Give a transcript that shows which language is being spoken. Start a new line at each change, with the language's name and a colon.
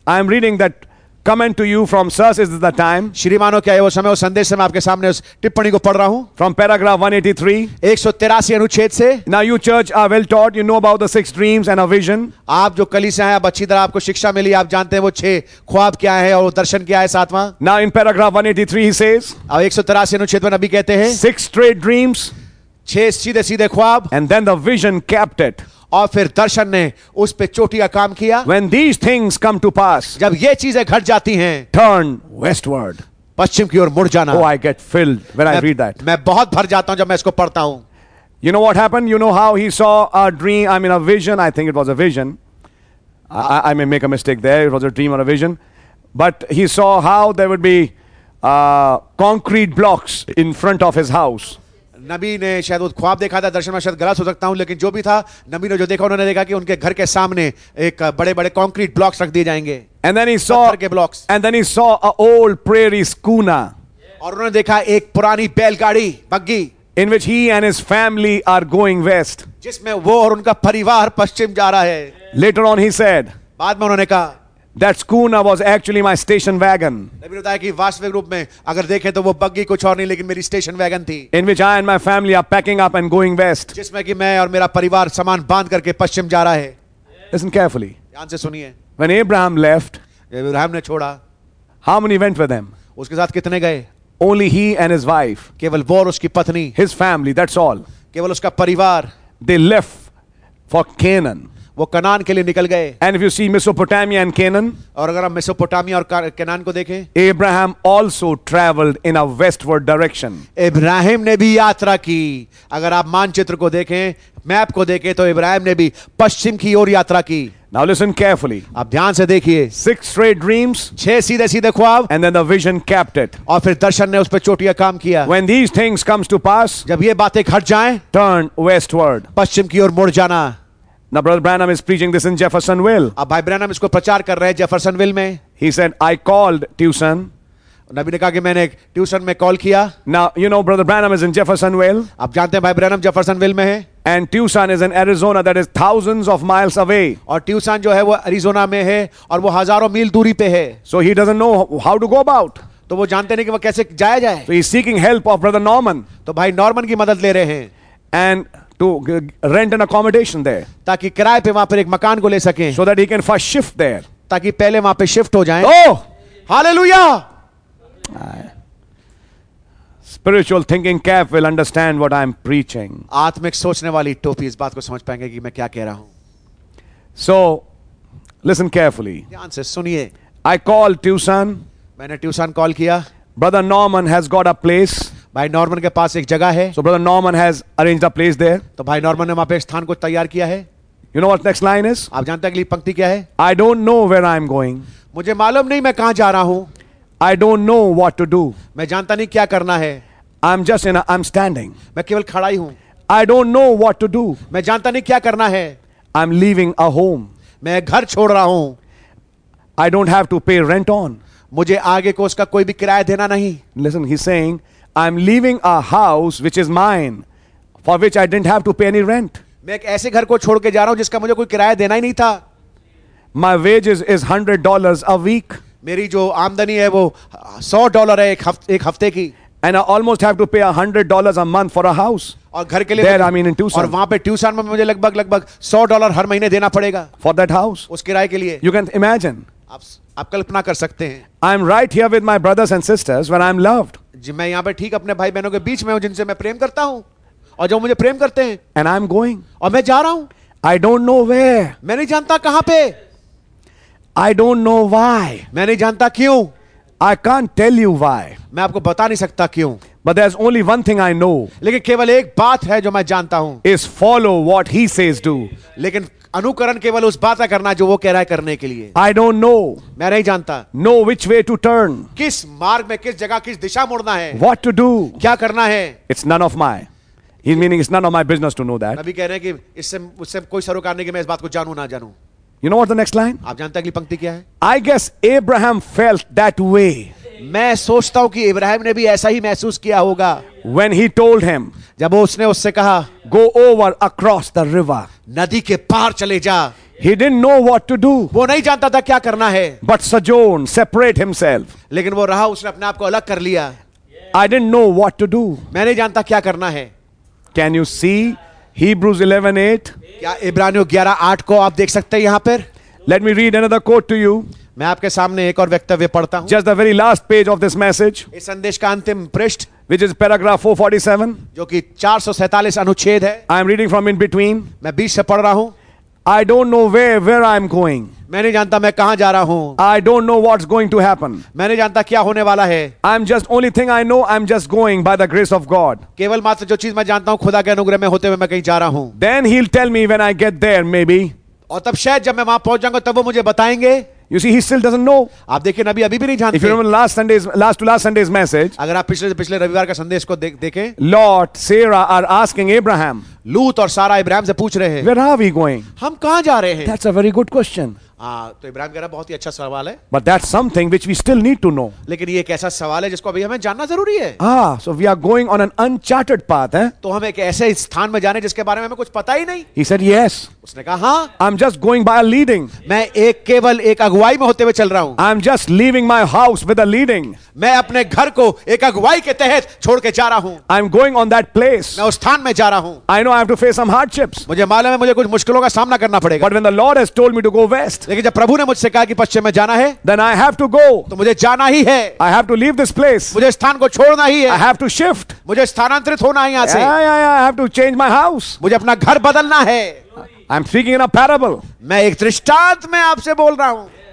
English: I am reading that comment to you from Sirs, is the time.
Hindi: श्रीमानो, क्या है वो समय? उस संदेश से मैं आपके सामने उस टिप्पणी को पढ़ रहा हूँ.
English: From paragraph 183.
Hindi: 183 अनुच्छेद से.
English: Now you church are well taught. You know about the six dreams and a vision.
Hindi: आप जो कलीसिया हैं, आप अच्छी तरह आपको शिक्षा मिली, आप जानते हैं वो छह ख्वाब क्या है और दर्शन क्या है सातवां.
English: Now in paragraph 183 he says.
Hindi: अब 183 अनुच्छेद में अभी कहते हैं.
English: Six straight dreams.
Hindi: छह सीधे सीधे ख्वाब.
English: And then the vision capped it.
Hindi: और फिर दर्शन ने उस पे चोटी का काम किया.
English: When these things come to pass,
Hindi: जब ये चीजें घट जाती हैं,
English: turn westward,
Hindi: पश्चिम की ओर मुड़ जाना.
English: Oh, I get filled when I read that.
Hindi: मैं बहुत भर जाता हूं जब मैं इसको पढ़ता हूं.
English: You know what happened? You know how he saw a dream, I mean a vision, I think it was a vision. I may make a mistake there, it was a dream or a vision. But he saw how there would be concrete blocks in front of his house.
Hindi: नबी ने शायद ख्वाब देखा था, दर्शन में शायद गलत हो सकता हूं, लेकिन जो भी था, नबी ने जो देखा, उन्होंने देखा कि उनके घर के सामने एक बड़े बड़े कॉन्क्रीट ब्लॉक्स रख दिए जाएंगे.
English: And then he saw,
Hindi: पत्थर के blocks.
English: And then he saw a old prairie schooner.
Hindi: और उन्होंने देखा एक पुरानी बैलगाड़ी बग्गी.
English: In which he and his family are going west.
Hindi: जिसमें वो और उनका परिवार पश्चिम जा रहा है.
English: Later on he said,
Hindi: बाद में उन्होंने कहा,
English: that schooner was actually my station wagon.
Hindi: नबी ने बताया कि वास्तविक रूप में अगर देखें तो वो बग्गी कुछ और नहीं लेकिन मेरी स्टेशन वैगन थी.
English: In which I and my family are packing up and going west.
Hindi: जिसमें कि मैं और मेरा परिवार सामान बांध करके पश्चिम जा रहा है.
English: Listen carefully.
Hindi: ध्यान से सुनिए.
English: When Abraham left,
Hindi: इब्राहिम ने छोड़ा.
English: How many went with him?
Hindi: उसके साथ कितने गए?
English: Only he and his wife.
Hindi: केवल वो और उसकी पत्नी.
English: His family, that's all.
Hindi: केवल उसका परिवार.
English: They left for Canaan.
Hindi: वो कनान के लिए निकल गए.
English: And if you see Mesopotamia and Canaan,
Hindi: और अगर आप मेसोपोटामिया और कनान को देखें,
English: Abraham also traveled in a westward direction.
Hindi: Ibrahim ने भी यात्रा की. अगर आप मानचित्र को देखें, मैप को देखें, तो इब्राहिम ने भी पश्चिम की ओर यात्रा की.
English: Now listen carefully.
Hindi: अब ध्यान से देखिए.
English: 6 straight dreams.
Hindi: 6 सीधे ख्वाब.
English: And then the vision capped it.
Hindi: और फिर दर्शन ने उस पर चोटियां काम किया.
English: When these things comes to pass,
Hindi: जब ये बातें घट जाएं,
English: turn westward.
Hindi: पश्चिम की ओर मुड़ जाना.
English: Now Brother Branham is preaching this in Jeffersonville.
Hindi: अब भाई ब्रैनम इसको प्रचार कर रहे हैं जेफरसनविल में.
English: He said, I called Tucson.
Hindi: नबी ने कहा कि मैंने ट्यूशन में कॉल किया.
English: Now you know Brother Branham is in Jeffersonville.
Hindi: आप जानते हैं भाई ब्रैनम जेफरसनविल में है.
English: And Tucson is in Arizona, that is thousands of miles away.
Hindi: और ट्यूशन जो है वो अरिजोना में है और वो हजारों मील दूरी पे है.
English: So he doesn't know how to go about.
Hindi: तो वो जानते नहीं कि वो कैसे जाया जाए.
English: So he's seeking help of Brother Norman.
Hindi: तो भाई नॉर्मन की मदद ले रहे हैं.
English: And to rent an accommodation there.
Hindi: ताकि किराए पे वहां पर एक मकान को ले सके.
English: So that he can first shift there.
Hindi: ताकि पहले वहां पर शिफ्ट हो जाए. Oh! Hallelujah!
English: Spiritual thinking cap will understand what I am preaching.
Hindi: आत्मिक सोचने वाली टोपी इस बात को समझ पाएंगे कि मैं क्या कह रहा हूं.
English: So, listen carefully.
Hindi: ध्यान से सुनिए.
English: I called Tucson.
Hindi: मैंने ट्यूशन कॉल किया.
English: Brother Norman has got a place.
Hindi: भाई नॉर्मन के पास एक जगह है.
English: So Brother Norman has arranged a place there.
Hindi: तो भाई नॉर्मन ने वहां पे स्थान को तैयार किया है.
English: You know what next line is?
Hindi: आप जानते हैं अगली पंक्ति क्या है?
English: I don't know where I am going.
Hindi: मुझे मालूम नहीं मैं कहां जा रहा हूं.
English: I don't know what to do.
Hindi: मैं जानता नहीं क्या करना है.
English: I'm standing.
Hindi: मैं केवल खड़ा ही हूं.
English: I don't know what to do.
Hindi: मैं जानता नहीं क्या करना है.
English: I'm leaving a home.
Hindi: मैं घर छोड़ रहा हूं.
English: I don't have to pay rent on.
Hindi: मुझे आगे को उसका कोई भी किराया देना नहीं.
English: Listen, he's saying, I'm leaving a house which is mine, for which I didn't have to pay any rent.
Hindi: मैं एक ऐसे घर को छोड़ के जा रहा हूं जिसका मुझे कोई किराया देना ही नहीं था.
English: My wages is $100 a week.
Hindi: मेरी जो आमदनी है वो $100 है एक हफ्ते की.
English: And I almost have to pay $100 a month for a house.
Hindi: और घर के लिए
English: there, I mean in Tucson.
Hindi: और वहाँ पे ट्यूशन में मुझे लगभग $100 हर महीने देना पड़ेगा.
English: For that house.
Hindi: उस किराए के लिए.
English: You can imagine.
Hindi: आप कल्पना कर सकते हैं.
English: I am right here with my brothers and sisters when I am loved.
Hindi: जी मैं यहाँ पे ठीक अपने भाई बहनों के बीच में हूँ जिनसे मैं प्रेम करता हूँ और जो मुझे प्रेम करते हैं.
English: And I am going.
Hindi: और मैं जा रहा हूँ.
English: I don't know where.
Hindi: मैं नहीं जानता कहाँ पे.
English: I don't know why.
Hindi: मैं नहीं जानता क्यों.
English: I can't tell you why.
Hindi: मैं आपको बता नहीं सकता क्यों.
English: But there's only one thing I know.
Hindi: लेकिन केवल एक बात है जो मैं जानता हूं.
English: Is follow what he says do.
Hindi: लेकिन अनुकरण केवल उस बात का करना जो वो कह रहा है करने के लिए.
English: I don't know.
Hindi: मैं नहीं जानता.
English: Know which way to turn.
Hindi: किस मार्ग में किस जगह किस दिशा मुड़ना है.
English: What to do.
Hindi: क्या करना है.
English: It's none of my. He's meaning it's none of my business to know that.
Hindi: अभी कह रहे हैं कि इससे उससे कोई सरोकार नहीं कि मैं इस बात को जानू ना जानू.
English: You know what the next line?
Hindi: आप जानते हैं अगली पंक्ति क्या है?
English: I guess Abraham felt that way.
Hindi: मैं सोचता हूं कि इब्राहिम ने भी ऐसा ही महसूस किया होगा.
English: When he told him,
Hindi: जब उसने उससे कहा,
English: Go over across the river.
Hindi: नदी के पार चले जा.
English: He didn't know what to do.
Hindi: वो नहीं जानता था क्या करना है.
English: But sojourn, separate himself.
Hindi: लेकिन वो रहा, उसने अपने आप को अलग कर लिया.
English: I didn't know what to do.
Hindi: मैं नहीं जानता क्या करना है.
English: Can you see? Hebrews 11:8.
Hindi: क्या इब्रानियों 11:8 को आप देख सकते हैं यहाँ पर?
English: Let me read another quote to you.
Hindi: मैं आपके सामने एक और वक्तव्य पढ़ता हूँ.
English: Just the very last page of this message.
Hindi: इस संदेश का अंतिम पृष्ठ.
English: Which is paragraph 447.
Hindi: जो कि 447 अनुच्छेद है.
English: I am reading from in between.
Hindi: मैं बीच से पढ़ रहा हूँ.
English: I don't know where I am going.
Hindi: मैं नहीं जानता मैं कहाँ जा रहा हूँ.
English: I don't know what's going to happen.
Hindi: मैं नहीं जानता क्या होने वाला है.
English: I'm just only thing I know. I'm just going by the grace of God.
Hindi: केवल मात्र जो चीज मैं जानता हूँ खुदा के अनुग्रह में होते हुए मैं कहीं जा रहा हूँ.
English: Then he'll tell me when I get there, maybe.
Hindi: और तब शायद जब मैं वहाँ पहुँच जाऊँगा तब वो मुझे बताएंगे.
English: You see, he still doesn't know.
Hindi: आप देखिए नबी अभी भी नहीं जानते.
English: If you remember last Sunday's message.
Hindi: अगर आप पिछले रविवार का संदेश को देखें.
English: Lot, Sarah are asking Abraham.
Hindi: लूत और सारा इब्राहिम से पूछ रहे हैं.
English: Where are we going?
Hindi: हम कहाँ जा रहे हैं?
English: That's a very good question.
Hindi: तो इब्राहिम कह रहा बहुत ही अच्छा सवाल है.
English: But that's something which we still need to know.
Hindi: लेकिन ये एक ऐसा सवाल है जिसको अभी हमें जानना जरूरी है.
English: So we are going on an uncharted path.
Hindi: तो हम एक ऐसे स्थान में जाने जिसके बारे में हमें कुछ पता ही नहीं.
English: He said yes.
Hindi: उसने कहा हाँ.
English: I'm just going by a leading.
Hindi: मैं एक केवल एक अगुवाई में होते हुए चल रहा हूँ.
English: I'm just leaving my house with a leading.
Hindi: मैं अपने घर को एक अगुवाई के तहत छोड़ के जा रहा हूँ.
English: I'm going on that place.
Hindi: मैं उस स्थान में जा रहा हूँ.
English: I know I have to face some hardships.
Hindi: मुझे मालूम है मुझे कुछ मुश्किलों का सामना करना पड़ेगा.
English: But when the Lord has told me to go west.
Hindi: लेकिन जब प्रभु ने मुझसे कहा कि पश्चिम में जाना है.
English: Then I have to go.
Hindi: तो मुझे जाना ही है.
English: I have to leave this place.
Hindi: मुझे स्थान को छोड़ना ही है.
English: I have to shift.
Hindi: मुझे स्थानांतरित होना है यहाँ से.
English: Yeah, I have to change my house.
Hindi: मुझे अपना घर बदलना है.
English: I'm speaking in a parable.
Hindi: मैं एक दृष्टांत में आपसे बोल रहा हूँ.